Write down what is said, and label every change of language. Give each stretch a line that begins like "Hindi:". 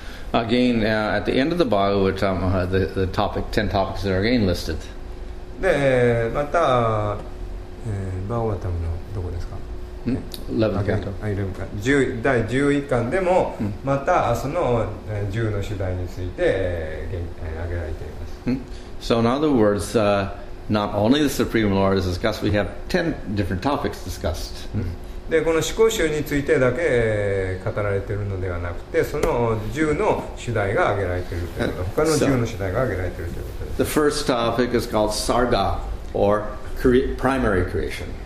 English: Again, at the end of the Bhagavatam, the topic, 10 topics are again listed.
Japanese: で、また、バガヴァタムのどこですか?
English: 11th canto.
Japanese: 第11巻でも、またその10の主題について挙げられています。
English: So in other words, not only the Supreme Lord is discussed, we have 10 different topics discussed.
Japanese: で、この思考集についてだけ語られているのではなくて、その10の主題が挙げられているということ。他の10の主題が挙げられているということです。
English: The first topic is called Sarga, or primary creation.